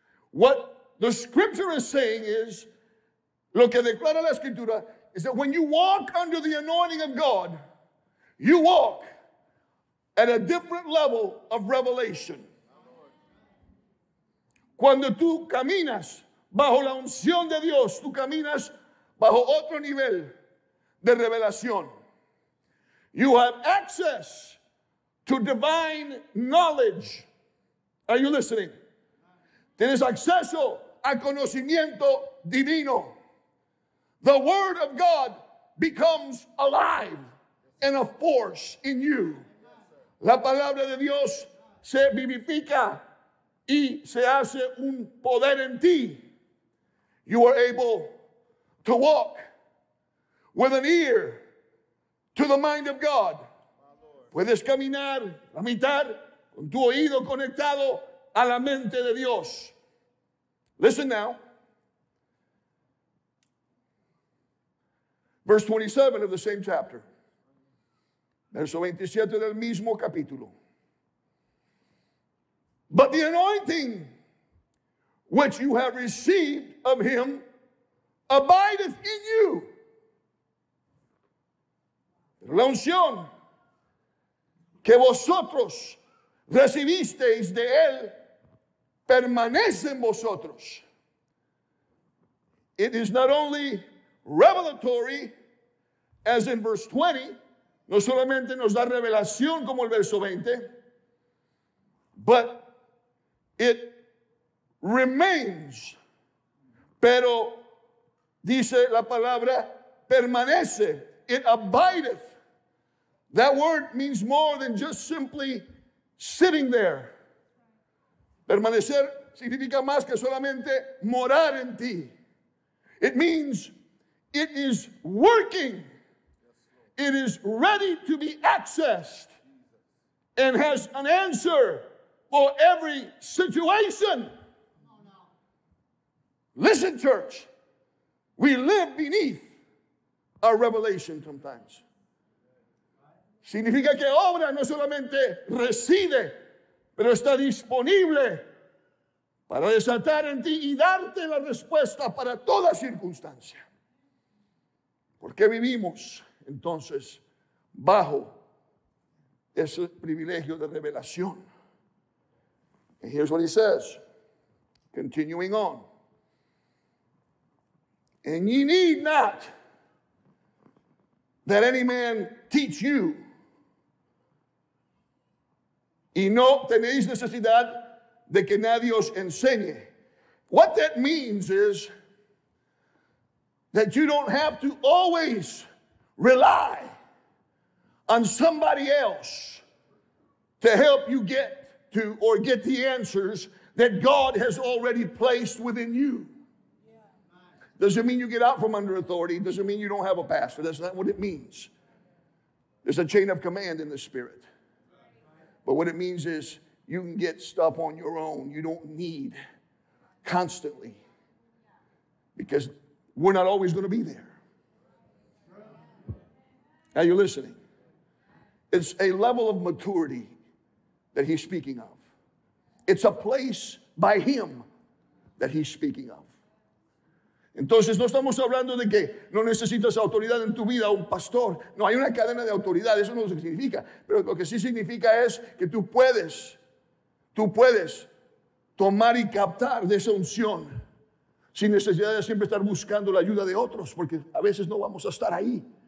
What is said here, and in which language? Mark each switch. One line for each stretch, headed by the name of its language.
English: What the scripture is saying is,
Spanish: lo que declara la escritura,
English: is that when you walk under the anointing of God, you walk at a different level of revelation.
Spanish: Cuando tú caminas bajo la unción de Dios, tú caminas bajo otro nivel de revelación.
English: You have access to divine knowledge. Are you listening?
Spanish: Tienes acceso al conocimiento divino.
English: The word of God becomes alive and a force in you.
Spanish: La palabra de Dios se vivifica y se hace un poder en ti.
English: You are able to walk with an ear to the mind of God.
Spanish: Puedes caminar a mitad con tu oído conectado a la mente de Dios.
English: Listen now. Verse 27 of the same chapter.
Spanish: Verso 27 del mismo capítulo.
English: But the anointing which you have received of him abideth in you.
Spanish: La unción que vosotros recibisteis de él permanece en vosotros.
English: It is not only revelatory, as in verse 20,
Spanish: no solamente nos da revelación como el verso 20,
English: but it remains,
Spanish: pero dice la palabra permanece,
English: it abideth. That word means more than just simply sitting there.
Spanish: Permanecer significa más que solamente morar en ti.
English: It means it is working. It is ready to be accessed and has an answer for every situation. Listen, church, we live beneath our revelation sometimes.
Spanish: Significa que obra no solamente reside, pero está disponible para desatar en ti y darte la respuesta para toda circunstancia. ¿Por qué vivimos entonces bajo ese privilegio de revelación?
English: And here's what he says, continuing on. And ye need not that any man teach you. Y no tenéis necesidad de que nadie os enseñe. What that means is that you don't have to always rely on somebody else to help you get to or get the answers that God has already placed within you. Does it mean you get out from under authority? Does it mean you don't have a pastor? That's not what it means. There's a chain of command in the Spirit. But what it means is you can get stuff on your own. You don't need constantly, because we're not always going to be there. Are you listening? It's a level of maturity that he's speaking of. It's a place by him that he's speaking of.
Spanish: Entonces, no estamos hablando de que no necesitas autoridad en tu vida, un pastor. No, hay una cadena de autoridad, eso no es lo que significa. Pero lo que sí significa es que tú puedes tomar y captar de esa unción sin necesidad de siempre estar buscando la ayuda de otros, porque a veces no vamos a estar ahí.